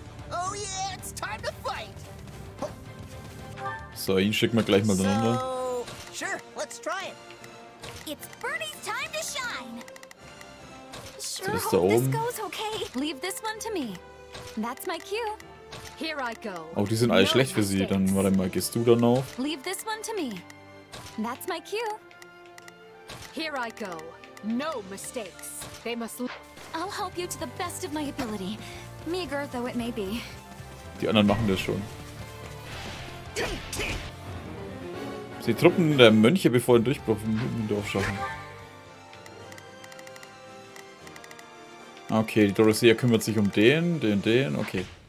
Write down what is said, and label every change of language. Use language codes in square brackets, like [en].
[en] Oh yeah, it's time to fight. [de] So, ihn schicken wir gleich mal drunter. [en] Sure, let's try it. It's Bernie's time to shine. Sure, hope this goes okay. Leave this one to me. That's my cue. Here I go. [de] Oh, die sind alle schlecht für sie. Dann warte mal, gehst du dann auf? [en] Leave this one to me. That's my cue. Here I go. No mistakes. They must. I'll help you to the best of my ability, meager though it may be. [de] Die anderen machen das schon. Sie Truppen der Mönche bevor den Durchbruch im Dorf schaffen. Okay, die Dorothea kümmert sich um den, okay.